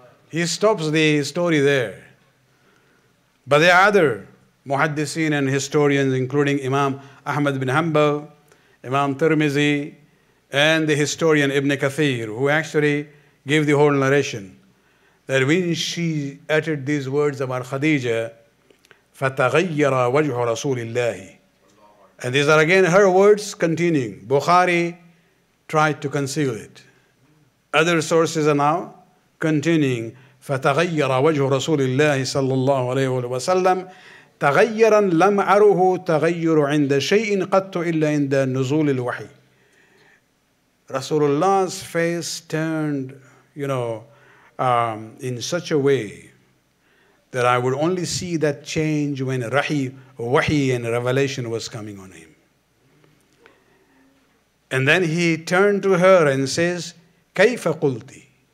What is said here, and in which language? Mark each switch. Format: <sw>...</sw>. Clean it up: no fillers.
<en>He stops the story there. But the other muhaddiseen and historians, including Imam Ahmad bin Hanbal, Imam Tirmizi, and the historian Ibn Kathir, who actually gave the whole narration, that when she uttered these words about Khadijah,</en> <ar>فَتَغَيَّرَ وَجْهُ رَسُولِ اللَّهِ.</ar> <en>And these are again her words continuing. Bukhari tried to conceal it. Other sources are now continuing,</en> <ar>فَتَغَيَّرَ وَجْهُ رَسُولِ اللَّهِ صَلَّى اللَّهُ عَلَيْهُ وَسَلَّمْ تَغَيَّرًا لَمْ عَرُهُ تَغَيُّرُ عِنْدَ شَيْءٍ قَدْتُ إِلَّا عِنْدَ نُزُولِ الْوَحِي.</ar> <en>Rasulullah's face turned, you know, in such a way that I would only see that change when wahi and revelation was coming on him. And then he turned to her and says,</en> <ar>كَيْفَ قُلْتِ.</ar>